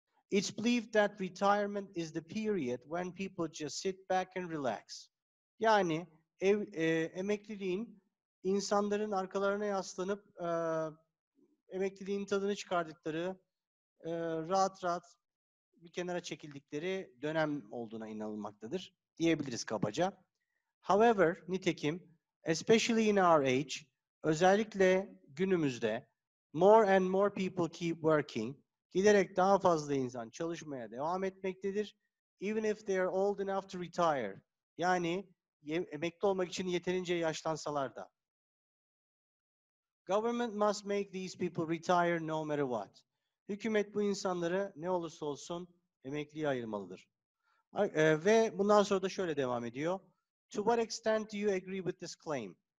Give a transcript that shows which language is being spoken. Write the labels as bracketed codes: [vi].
[en] It's believed that retirement is the period when people just sit back and relax. [tr] Yani emekliliğin insanların arkalarına yaslanıp emekliliğin tadını çıkardıkları, rahat rahat bir kenara çekildikleri dönem olduğuna inanılmaktadır diyebiliriz kabaca. [en] However, [tr] nitekim [en] especially in our age, [tr] özellikle günümüzde [en] more and more people keep working. [tr] Giderek daha fazla insan çalışmaya devam etmektedir. [en] Even if they are old enough to retire. [tr] Yani emekli olmak için yeterince yaşlansalar da. [en] Government must make these people retire no matter what. [tr] Hükümet bu insanları ne olursa olsun emekliye ayırmalıdır. Ve bundan sonra da şöyle devam ediyor. [en] To what extent do you agree with this claim?